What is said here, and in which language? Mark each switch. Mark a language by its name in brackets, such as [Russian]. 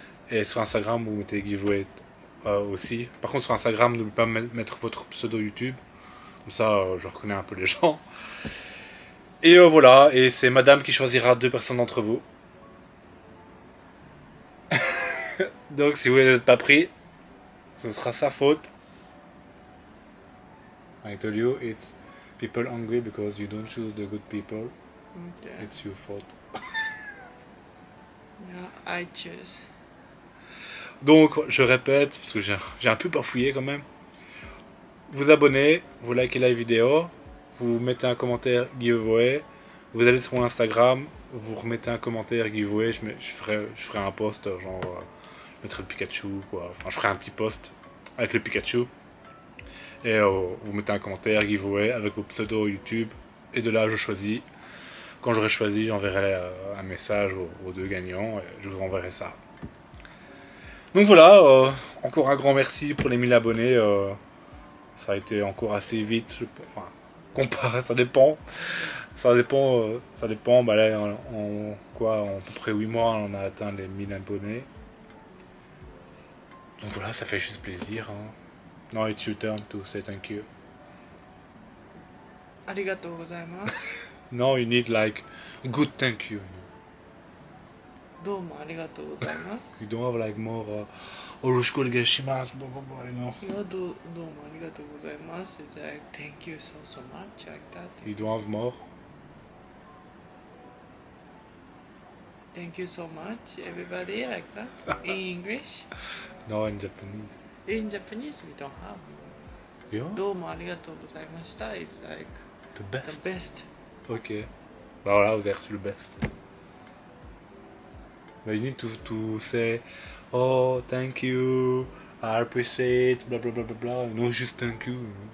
[French] Et sur Instagram, vous mettez giveaway aussi. Par contre, sur Instagram, n'oubliez pas de mettre votre pseudo YouTube. Comme ça, je reconnais un peu les gens. Et voilà, et c'est madame qui choisira deux personnes d'entre vous. Donc, si vous n'êtes pas pris, ce sera sa faute. [English] I told you, it's people angry because you don't choose the good people. Okay. It's your fault. Yeah, I choose. [French] Donc, je répète, parce que j'ai un peu bafouillé quand même. Vous abonnez, vous likez la vidéo, vous mettez un commentaire giveaway, vous allez sur mon Instagram, vous remettez un commentaire giveaway, je ferai un post, genre, je mettrai le Pikachu, quoi, enfin, je ferai un petit post avec le Pikachu, et vous mettez un commentaire giveaway avec vos pseudos YouTube, et de là, je choisis. Quand j'aurai choisi, j'enverrai un message aux deux gagnants, et je vous enverrai ça. Donc voilà, encore un grand merci pour les 1000 abonnés. Ça a été encore assez vite, enfin, Comparé, ça dépend. Ça dépend. Ça dépend. Bah là, en à peu près 8 mois, on a atteint les 1000 abonnés. Donc voilà, ça fait juste plaisir. Hein. [English] Non, it's your turn to say thank you. [Japanese] Arigato gozaimasu. [English] No, you need like good thank you. [Japanese] Dōmo arigato gozaimasu. [English] You don't have like more [Japanese] oroshiku onegaishimasu, [English] blah blah blah, you know. [Japanese] Yeah, dōmo arigato gozaimasu. [English] It's like thank you so so much like that. You don't have more. Thank you so much, everybody, like that in English. No, in Japanese. In Japanese, we don't have. Yeah. [Japanese] Dōmo arigato gozaimashita. [English] It's like the best. The best. [French] Ok, bah voilà, vous avez reçu le best. [English] Mais you need to say oh, thank you, I appreciate, bla bla bla bla bla, no, just thank you.